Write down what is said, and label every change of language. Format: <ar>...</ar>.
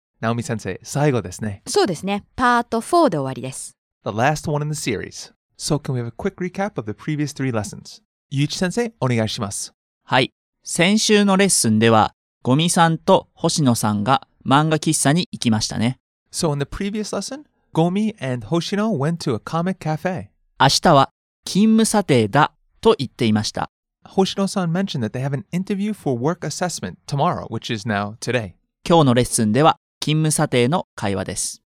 <ja>ナオミ先生、最後ですね。そうですね。パート4で終わりです。</ja> <en>The last one in the series. So can we have a quick recap of the previous three lessons?</en> <ja>ユイチ先生、お願いします。はい。先週のレッスンでは、ゴミさんと星野さんが漫画喫茶に行きましたね。</ja> <en>So in the previous lesson, Gomi and Hoshino went to a comic cafe.</en> <ja>明日は勤務査定だと言っていました。</ja> <en>Hoshino さん mentioned that they have an interview for work assessment tomorrow, which is now today.</en> <ja>今日のレッスンでは、勤務査定の会話です。</ja>